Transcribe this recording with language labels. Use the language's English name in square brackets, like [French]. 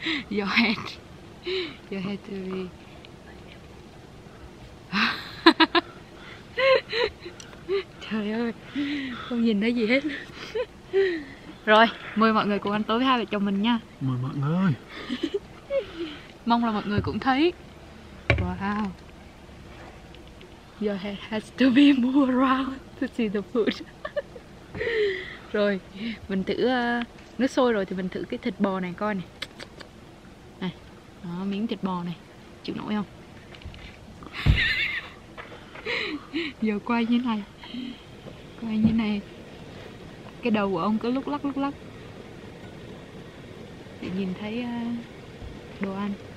[English] You had to be [Vietnamese] trời ơi, không nhìn thấy gì hết. Rồi, mời mọi người cùng ăn tối với hai vợ chồng mình nha. Mời mọi người. Mong là mọi người cũng thấy. Wow. [English] Your head has to be moved around to see the food. [Vietnamese] Rồi, mình thử nước sôi rồi thì mình thử cái thịt bò này coi này. Này, đó, miếng thịt bò này, chịu nổi không? Giờ quay như này, quay như này, cái đầu của ông cứ lúc lắc lúc lắc để nhìn thấy đồ ăn.